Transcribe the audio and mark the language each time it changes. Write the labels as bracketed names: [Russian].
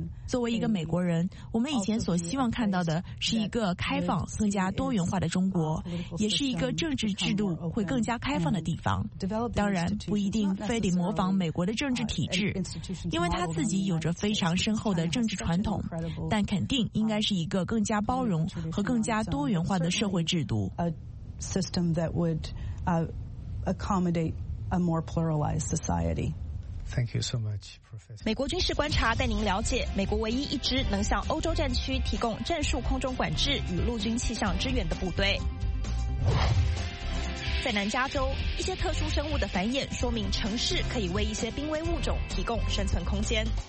[Chinese] 作为一个美国人，我们以前所希望看到的是一个开放更加多元化的中国，也是一个政治制度会更加开放的地方。当然不一定非得模仿美国的政治体制，因为它自己有着非常深厚的政治传统，但肯定应该是一个更加包容和更加多元化的社会制度。 [English] A system that would accommodate a more pluralized society. Thank you so much, Professor. [Chinese] 美国军事观察带您了解美国唯一一支能向欧洲战区提供战术空中管制与陆军气象支援的部队。在南加州，一些特殊生物的繁衍说明城市可以为一些濒危物种提供生存空间。